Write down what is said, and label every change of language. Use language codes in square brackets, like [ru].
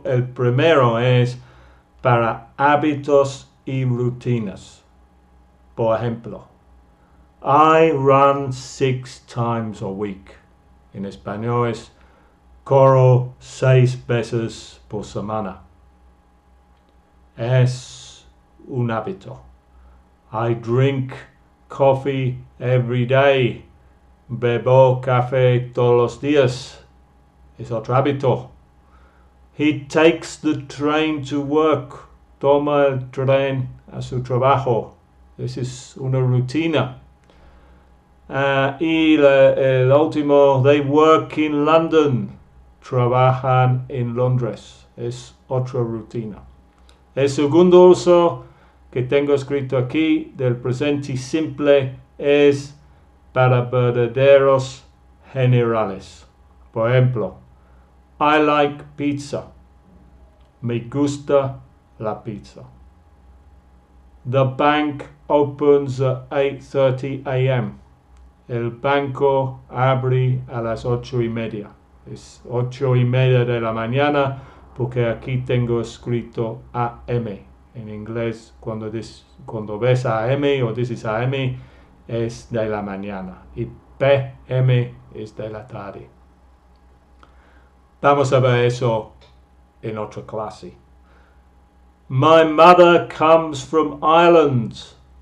[es] El primero es para hábitos y rutinas. Por ejemplo, [en] I run 6 times a week. [es] En español es, corro 6 veces por semana. Es un hábito. [en] I drink coffee every day. [es] Bebo café todos los días. Es otro hábito. [en] He takes the train to work. [es] Toma el tren a su trabajo. [en] This is [es] una rutina. Y el último, [en] they work in London. [es] Trabajan en Londres. Es otra rutina. El segundo uso que tengo escrito aquí del presente simple es para verdaderos generales. Por ejemplo, [en] I like pizza. [es] Me gusta la pizza. [en] The bank opens at 8:30 a.m. [es] El banco abre a las 8:30. Es 8:30 de la mañana porque aquí tengo escrito AM. En inglés, cuando ves AM o dices AM, es de la mañana. Y PM es de la tarde. Vamos a ver eso en otra clase. [en] My mother comes from Ireland.